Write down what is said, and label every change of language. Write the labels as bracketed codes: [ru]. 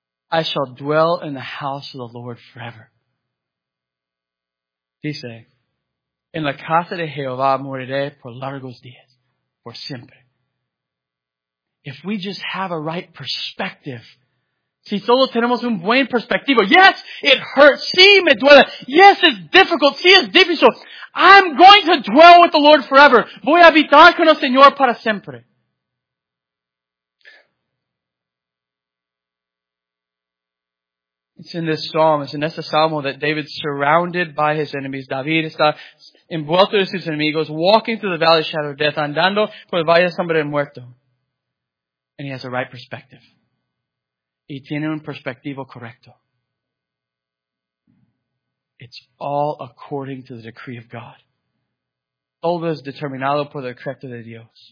[en] I shall dwell in the house of the Lord forever. [es] Dice, en la casa de Jehová moriré por largos días, por siempre. [en] If we just have a right perspective, [es] si solo tenemos un buen perspectivo, [en] yes, it hurts, [es] sí, me duele, [en] yes, it's difficult, [es] sí, es difícil, [en] I'm going to dwell with the Lord forever, [es] voy a habitar con el Señor para siempre. [en] And It's in this psalm, it's in [es] este salmo [en] that David's surrounded by his enemies. [es] David está envuelto de sus enemigos, [en] walking through the valley of shadow of death, [es] andando por el valle de sombra de muerto. [en] And he has the right perspective. [es] Y tiene un perspectivo correcto. [en] It's all according to the decree of God. [es] Todo es determinado por el decreto de Dios.